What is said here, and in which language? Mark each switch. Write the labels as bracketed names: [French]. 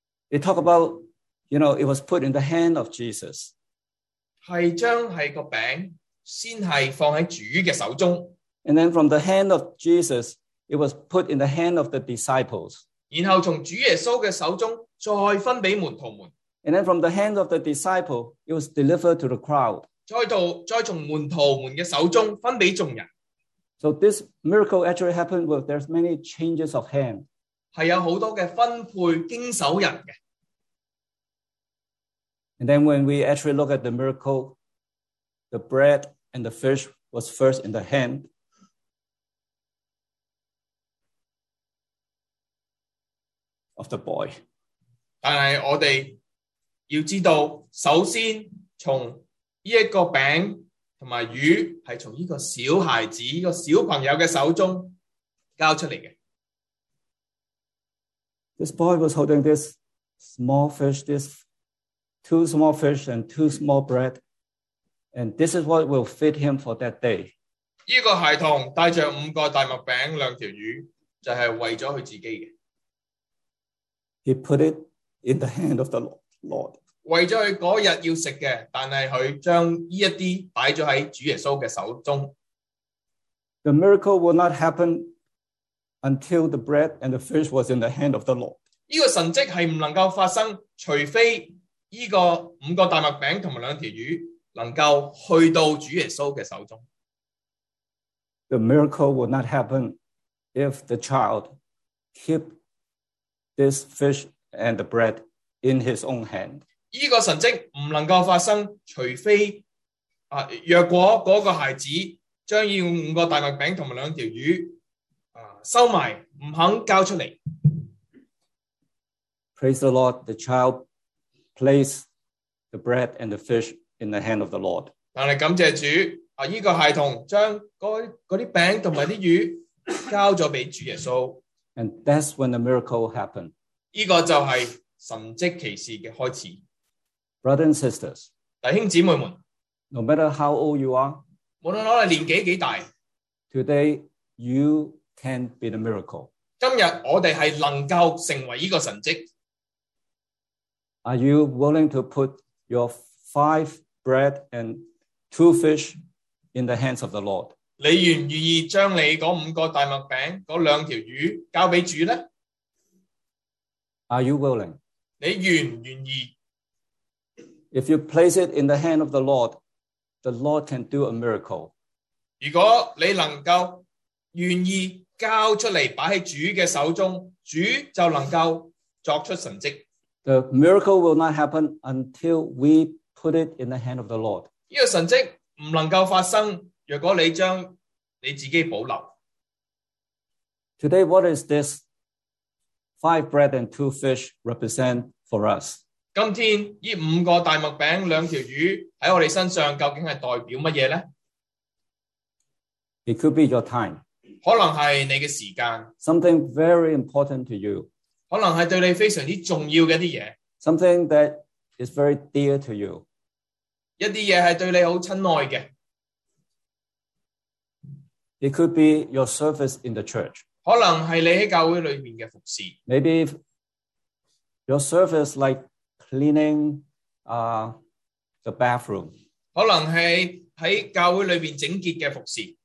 [English] They talk about, you know, it was put in the hand of Jesus. [Chinese] 是将是个饼先是放在主的手中。 [English] And then from the hand of Jesus, it was put in the hand of the disciples. [Chinese] 然后从主耶稣的手中再分给门徒们。 [English] And then from the hand of the disciple, it was delivered to the crowd. [Chinese] 再从门徒们的手中分给众人。 [English] So this miracle actually happened with there's many changes of hand. [Chinese] 是有很多的分配经手人的。 [English] And then when we actually look at the miracle, the bread and the fish was first in the hand. [Chinese] 但是我们要知道，首先从这个饼和鱼是从这个小孩子、这个小朋友的手中交出来的。 [English] This boy was holding this small fish, this two small fish and two small bread, and this is what will feed him for that day. [Chinese] 这个孩童带着五个大麦饼、两条鱼，就是为了他自己的。 [English] He put it in the hand of the Lord. [Chinese] 为了他那天要吃的，但是他将这些放在主耶稣的手中。 [English] The miracle will not happen until the bread and the fish was in the hand of the Lord. [Chinese] 这个神迹是不能够发生，除非这个五个大麦饼和两条鱼能够去到主耶稣的手中。 [English] The miracle will not happen if the child keep this fish and the bread in his own hand. [Chinese] 这个神迹不能够发生，除非若果那个孩子将这五个大麦饼和两条鱼收埋，不肯交出来。 [English] Praise the Lord, the child placed the bread and the fish in the hand of the Lord. [Chinese] 但是感谢主，这个孩童将那些饼和那鱼交了给主耶稣。 [English] And that's when the miracle happened. [Chinese] 这个就是神迹奇事的开始。 [English] Brothers and sisters, [Chinese] 弟兄姊妹们， [English] no matter how old you are, [Chinese] 无论我们年纪多大， [English] today you can be the miracle. [Chinese] 今天我们是能够成为这个神迹。 [English] Are you willing to put your five bread and two fish in the hands of the Lord? [Chinese] 你愿不愿意将你那五个大麦饼、那两条鱼交给主呢？ [English] Are you willing? [Chinese] 你愿不愿意? [English] If you place it in the hand of the Lord can do a miracle. [Chinese] 如果你能够愿意交出来摆在主的手中，主就能够作出神迹。 [English] The miracle will not happen until we put it in the hand of the Lord. [Chinese] 这个神迹不能够发生，如果你将你自己保留。 [English] Today, what is this? Five bread and two fish represent for us. [Chinese] 今天这五个大麦饼、两条鱼在我们身上究竟是代表什么呢？ [English] It could be your time. [Chinese] 可能是你的时间。 [English] Something very important to you. [Chinese] 可能是对你非常重要的一些东西。 [English] Something that is very dear to you. [Chinese] 一些东西是对你很亲爱的。 [English] It could be your service in the church. [Chinese] 可能是你在教会里面的服侍。 [English] Maybe your service like cleaning the bathroom. [Chinese] 可能是在教会里面整洁的服侍。